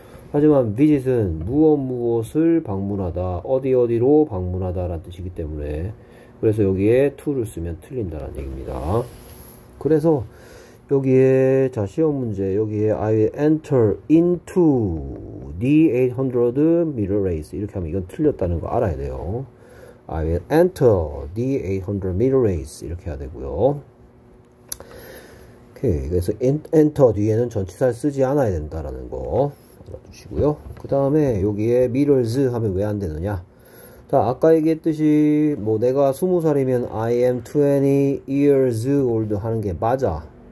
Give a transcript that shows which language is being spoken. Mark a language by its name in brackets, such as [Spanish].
[Korean] 하지만 visit은 무엇무엇을 방문하다, 어디어디로 방문하다라는 뜻이기 때문에 그래서 여기에 to를 쓰면 틀린다라는 얘기입니다. 그래서 여기에, 자, 시험 문제. 여기에 [English] I enter into the 800m race [Korean] 이렇게 하면 이건 틀렸다는 거 알아야 돼요. [English] I will enter the 800m race [Korean] 이렇게 해야 되고요. 오케이, 그래서 enter 뒤에는 전치사를 쓰지 않아야 된다라는 거 주시고요. 그 다음에 여기에 mirrors 하면 왜안 되느냐? 자, 아까 얘기했듯이 뭐 내가 20살이면 [English] I am 20 years old [Korean] 하는 게 맞아.